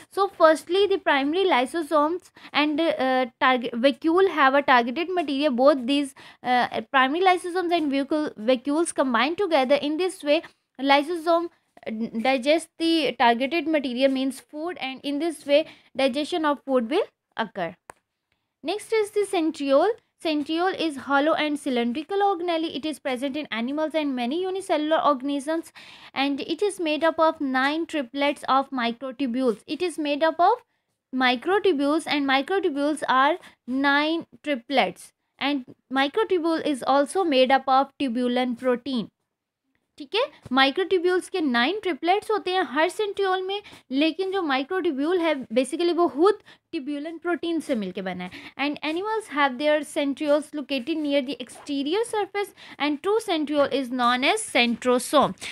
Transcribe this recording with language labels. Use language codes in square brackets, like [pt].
[en] So firstly the primary lysosomes and vacuole have a targeted material. Both this primary lysosomes and vacuoles combine together. In this way lysosome digest the targeted material means food and in this way digestion of food will occur. Next is the centriole. Centriole is hollow and cylindrical organelle. It is present in animals and many unicellular organisms and it is made up of 9 triplets of microtubules. It is made up of microtubules and microtubules are 9 triplets and microtubule is also made up of tubulin protein. [hi] ठीक है, microtubules के 9 triplets होते हैं हर centriole में, लेकिन जो microtubule है basically वो खुद ट्यूब्यूलन प्रोटीन से मिलके बना है. [en] And animals have their centrioles located near the exterior surface and true centriole is known as centrosome.